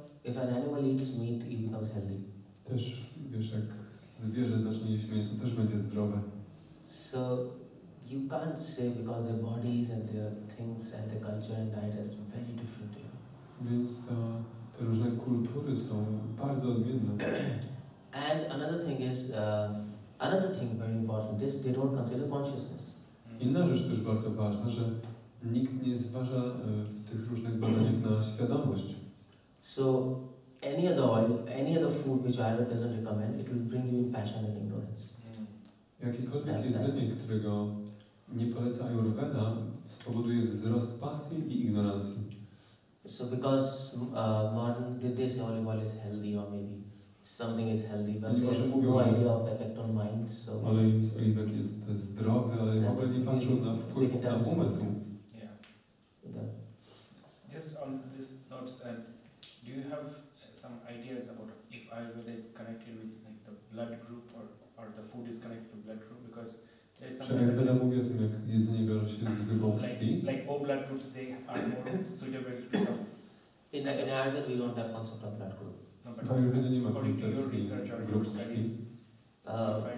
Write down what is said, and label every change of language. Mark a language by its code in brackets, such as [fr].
[en] If an animal eats meat, he becomes healthy. [pl] Też wiesz, jak zwierzę zacznie jeść mięso, też będzie zdrowe. [en] So you can't say because their bodies and their things and their culture and diet is very different. [pl] Więc te różne kultury są bardzo odmienne. [en] And another thing is. Another thing very important is they don't consider consciousness. [pl] Inna rzecz też bardzo ważna, że nikt nie zważa w tych różnych badaniach na świadomość. [en] So any other oil, any other food which Ayurveda doesn't recommend, it will bring you passion and ignorance. [pl] Jakiekolwiek jedzenie, którego nie poleca Ayurveda, spowoduje wzrost pasji i ignorancji. [en] So because modern did they say olive oil is healthy or maybe? Something is healthy, but they have no idea of effect on mind. So. [pl] Ale oliwek jest zdrowy, ale w ogóle nie patrzą na wpływ na umysł. [en] Yeah. Just on this note, do you have some ideas about if Ayurveda is connected with like the blood group or the food is connected to blood group? Because there's some. [pl] Czy Ayurveda mówi o tym, jak jedzenie biorą się z grupą krwi? [en] Like O blood groups, they are more suitable to some. In Ayurveda, we don't have concept of blood group. No, but according to your research or your studies, you find something.